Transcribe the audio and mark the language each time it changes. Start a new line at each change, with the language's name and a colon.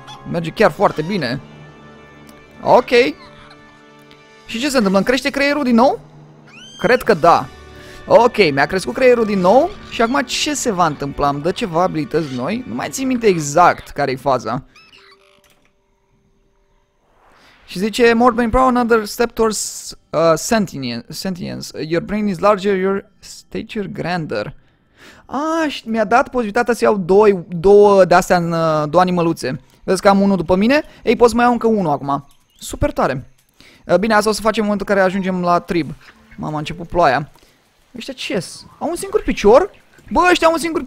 Romanian: Merge chiar foarte bine. Ok. Și ce se întâmplă? Îmi crește creierul din nou? Cred că da. Ok, mi-a crescut creierul din nou. Și acum ce se va întâmpla? Îmi dă ceva abilități noi? Nu mai țin minte exact care-i faza. Și zice,
English: Morbane Brown, another step towards sentience. Your brain is larger, your stature grander.
Romanian: Și mi-a dat posibilitatea să iau două de astea în două animăluțe. Vezi că am unul după mine? Ei, poți mai iau încă unul acum. Super tare. Bine, asta o să facem în momentul în care ajungem la trib. Mama, a început ploaia. Ăștia ce-s? Au un singur picior? Bă, ăștia au un singur...